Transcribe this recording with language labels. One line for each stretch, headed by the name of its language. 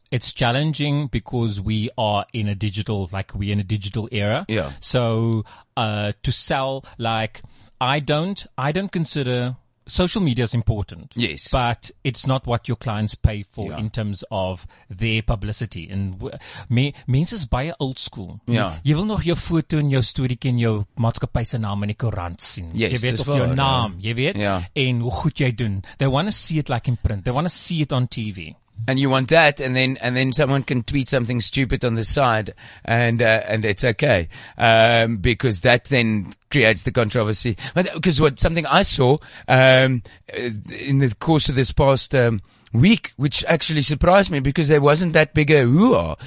English: It's challenging because we are in a digital, like we're in a digital era. Yeah. So, to sell, like, I don't consider social media is important. Yes. But it's not what your clients pay for in terms of their publicity. And means is by old school. Yeah.
Afrikaans: Jy wil nog jou foto en jou storie ken, jou maatskappy se naam in die koerant sien.
English: Yes.
Afrikaans: Jy weet of jou naam, jy weet.
English: Yeah.
Afrikaans: En hoe goed jy doen.
English: They want to see it like in print. They want to see it on TV. And you want that, and then someone can tweet something stupid on the side, and it's okay, because that then creates the controversy. Because what something I saw in the course of this past week, which actually surprised me, because there wasn't that bigger hoo-ha.